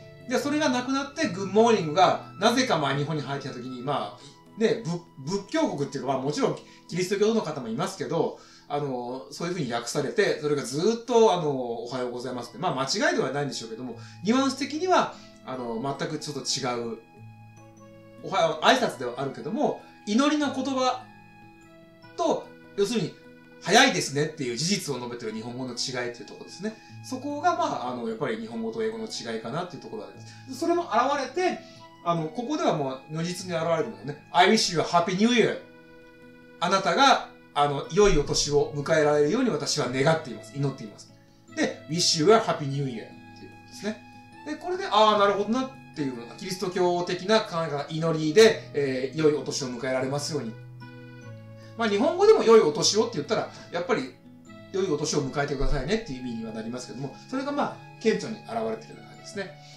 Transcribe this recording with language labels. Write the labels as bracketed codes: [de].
[ja] で、それがなくなって [en] good morning [ja] がなぜか前日本に入ってきた時に、まあね、仏教国っていうのはもちろんキリスト教の方もいますけど、そういう風に訳されて、それがずっとおはようございますって、まあ間違いではないんでしょうけども、ニュアンス的には全くちょっと違うおはよう挨拶ではあるけども、祈りの言葉と要するに早いですねっていう事実を述べている日本語の違いっていうところですね。そこがまあやっぱり日本語と英語の違いかなっていうところです。それも現れて、ここではもう如実に現れるのね。 [en] I wish you a happy new year。 [ja] あなたが良いお年を迎えられるように私は願っています。祈っています。で、 [en] wish you a happy new year [ja] っていうことですね。で、これで、ああ、なるほどなっていう、キリスト教的な考え方、祈りで、良いお年を迎えられますように。まあ日本語でも良いお年をって言ったら、やっぱり良いお年を迎えてくださいねっていう意味にはなりますけども、それがまあ顕著に現れてるような感じですね。